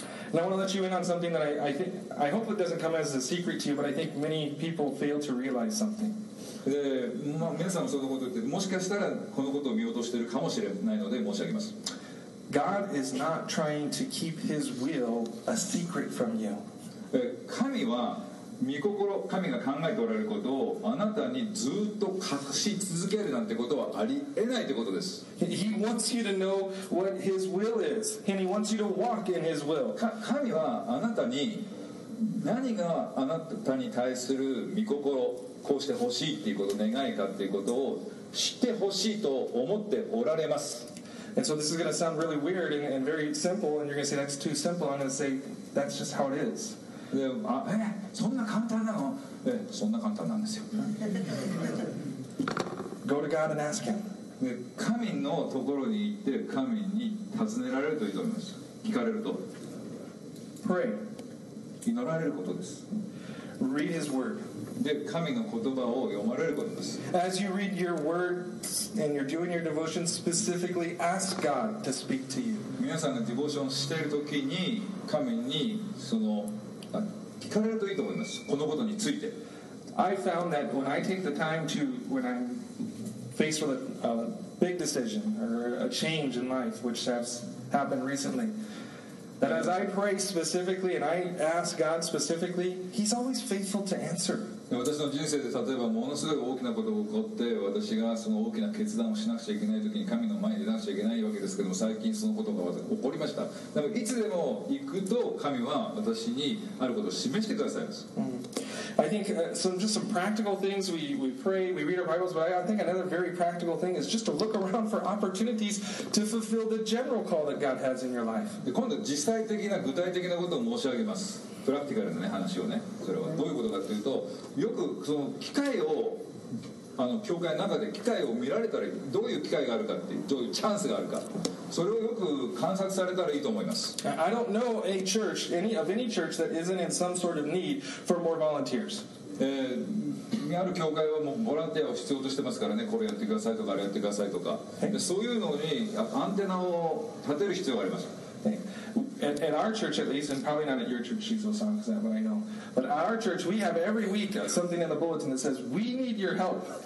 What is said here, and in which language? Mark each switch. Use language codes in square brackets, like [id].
[en] And I want to let you in on something that I hope it doesn't come as a secret to you, but I think many people fail to realize something. [ja] で、まあ、皆さんもそのこと言って、もしかしたらこのことを見落としているかもしれないので申し上げます。 [en] God is not trying to keep His will a secret from you. [ja] 神は御心、神が考えておられることをあなたにずっと隠し続けるなんてことはありえないということです。 [en] He wants you to know what His will is, and He wants you to walk in His will. [ja] 神はあなたに何があなたに対する御心、こうしてほしいっていうこと、願いかっていうことを知ってほしいと思っておられます。 [en] And so this is going to sound really weird and very simple, and you're going to say, that's too simple. I'm going to say, that's just how it is. [ja] そんな簡単なの？そんな簡単なんですよ。 [en] Go to God and ask Him. [ja] 神のところに行って、神に尋ねられるといいと思います。聞かれると。 [en] Pray. [ja] 祈られることです。 [en] Read His Word. [ja] で、神の言葉を読まれることです。 [en] As you read your words and you're doing your devotion, specifically ask God to speak to you. [ja] 皆さんがディボーションしているときに、神にその聞かれるといいと思います。このことについて。 [en] I found that when I take the time to, when I'm faced with a big decision or a change in life, which has happened recently, that as I pray specifically and I ask God specifically, He's always faithful to answer. [ja] 私の人生で例えばものすごい大きなことが起こって、私がその大きな決断をしなくちゃいけないときに神の前に出なくちゃいけないわけですけども、最近そのことが起こりました。だからいつでも行くと神は私にあることを示してくださいます、 mm-hmm. [en] I think、some, just some practical things we pray, we read our Bibles, but I think another very practical thing is just to look around for opportunities to fulfill the general call that God has in your life. [ja] で、今度実際的な具体的なことを申し上げます。プラクティカルな、ね、話をね、それはどういうことかというと、よくその機会を、あの教会の中で機会を見られたらいい、どういう機会があるかっていう、どういうチャンスがあるか、それをよく観察されたらいいと思います。 [en] I don't know a church, any of any church that isn't in some sort of need for more volunteers. [ja] ある教会はもうボランティアを必要としてますからね、これやってくださいとか、あれやってくださいとか、でそういうのにアンテナを立てる必要があります。 [en] At our church, at least, and probably not at your church, Shizuo-san, because that's what I know. But at our church, we have every week something in the bulletin that says, we need your help.